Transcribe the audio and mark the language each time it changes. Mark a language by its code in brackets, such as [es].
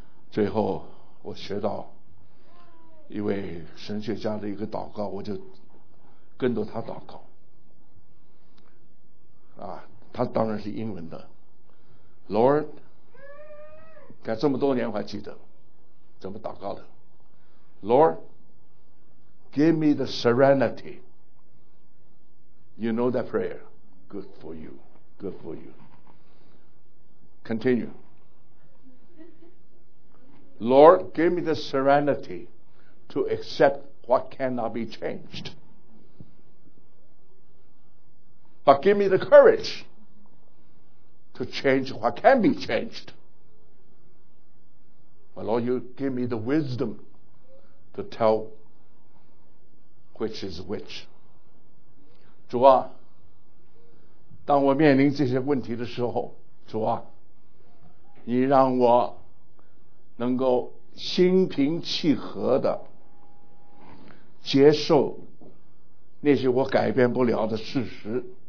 [zh] 最后我学到一位神学家的一个祷告，我就跟着他祷告，啊，他当然是英文的Lord， 该这么多年我还记得怎么祷告的。 [en] Lord， give me the serenity. You know that prayer. Good for you. Good for you. Continue. Lord， give me the serenity to accept what cannot be changed. But give me the courage. To change what can be changed. My Lord, you give me the wisdom to tell which is which. [zh] 主啊，当我面临这些问题的时候，主啊，你让我能够心平气和的接受那些我改变不了的事实。